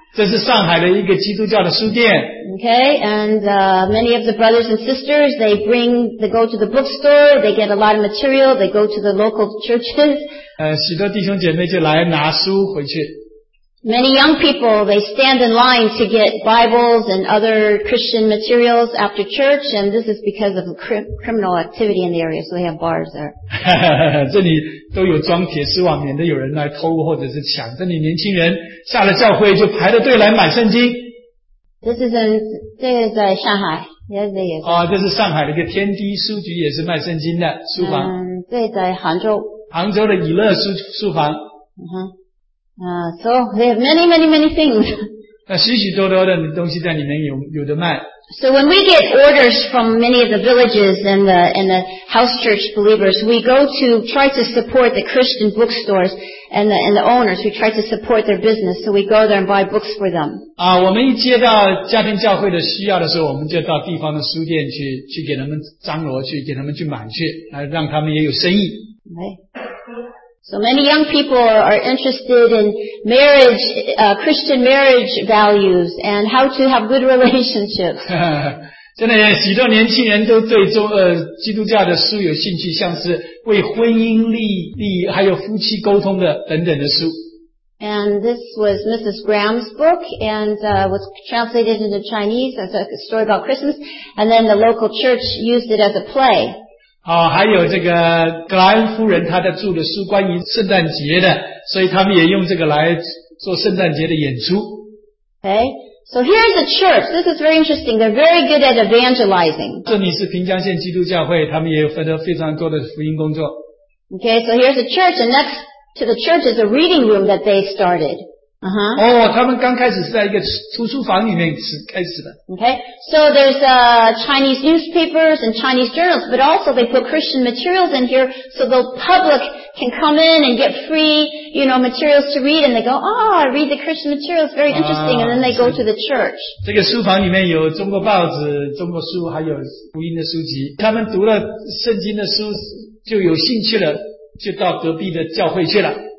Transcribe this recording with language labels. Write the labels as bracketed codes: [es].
[zh] 这是上海的一个基督教的书店。 [en] Okay, and many of the brothers and sisters, they go to the bookstore, they get a lot of material, they go to the local churches. [zh] 许多弟兄姐妹就来拿书回去。 [en] Many young people, they stand in line to get Bibles and other Christian materials after church, and this is because of criminal activity in the area, so they have bars there. [zh] 这里都有装铁丝网，免得有人来偷或者是抢。这里年轻人下了教会就排着队来买圣经。 [en] This is in, [zh] 这个在上海。 [en] Yes, [zh] yes. 哦，这是上海的一个天地书局，也是卖圣经的书房。对，在杭州。杭州的以乐 书房。 [en] So they have many, many, many things. [zh] 那许许多多的东西在里面有的卖。 [en] So when we get orders from many of the villages and the house church believers, we go to try to support the Christian bookstores and the owners. We try to support their business, so we go there and buy books for them. [zh] 啊，我们一接到家庭教会的需要的时候，我们就到地方的书店去给他们张罗，去给他们去买去，来让他们也有生意。 [en] Okay. So many young people are interested in marriage, Christian marriage values and how to have good relationships. [zh] 真的耶，许多年轻人都对基督教的书有兴趣，像是为婚姻利益还有夫妻沟通的等等的书。 [en] And this was Mrs. Graham's book, and was translated into Chinese as a story about Christmas, and then the local church used it as a play. [zh] 好，还有这个格莱恩夫人她的著的书关于圣诞节的，所以他们也用这个来做圣诞节的演出。 [en] Okay, so here's a church. This is very interesting. They're very good at evangelizing. [zh] 这里是平江县基督教会，他们也有分得非常多的福音工作。 [en] Okay, so here's a church, and next to the church is a reading room that they started. [zh] 他们刚开始是在一个图书房里面开始的。 [en] Okay, so there's Chinese newspapers and Chinese journals, but also they put Christian materials in here so the public can come in and get free, you know, materials to read, and they go, oh, I read the Christian materials, very interesting, and then they go to the church. [zh] 这个书房里面有中国报纸、中国书，还有福音的书籍。他们读了圣经的书，就有兴趣了，就到隔壁的教会去了。